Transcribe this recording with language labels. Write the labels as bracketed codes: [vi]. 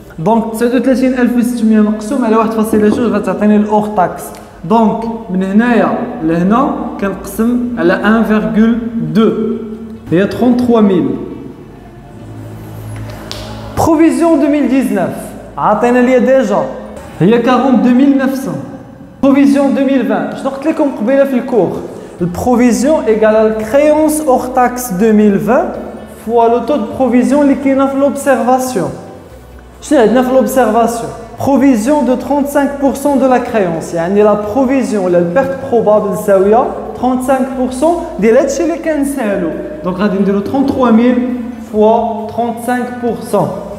[ar] دونك 39600 مقسوم على 1.2 غتعطيني الاوغ تاكس. دونك من هنايا لهنا كنقسم على 1.2 هي 33000. Provision 2019, عطينا ليا ديجا هي 42900. [fr] Provision 2020, [ar] شنو قلت لكم قبيله في الكور؟ [fr] Provision égale à la créance hors taxe 2020 fois le taux de provision [ar] اللي كاين في [fr] l'observation. [ar] شنو عندنا في l'observation؟ [fr] Provision de 35% de la créance, [ar] يعني [fr] la provision [ar] ولا البيرت بروبابل تساوي 35% ديال هادشي اللي كنسالو. دونك غادي نديرو 33000 fois 35%.